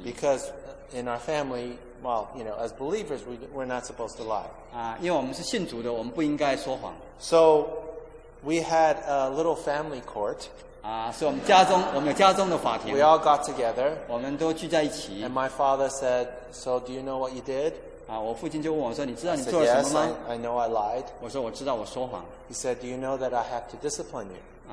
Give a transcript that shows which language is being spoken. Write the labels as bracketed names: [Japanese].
[English] Because in our family, well, you know, as believers, we're not supposed to lie. [Chinese] 啊，因为我们是信主的，我们不应该说谎。 [English] So we had a little family court. [Chinese] 啊，是我们家中，我们有家中的法庭。 [English] We all got together. [Chinese] 我们都聚在一起。 [English] And my father said, "So do you know what you did?" [Chinese] 啊，我父亲就问我说，你知道你做了什么吗？ [English] I said, yes, I know I lied. [Chinese] 我说我知道我说谎。 [English] He said, "Do you know that I have to discipline you?"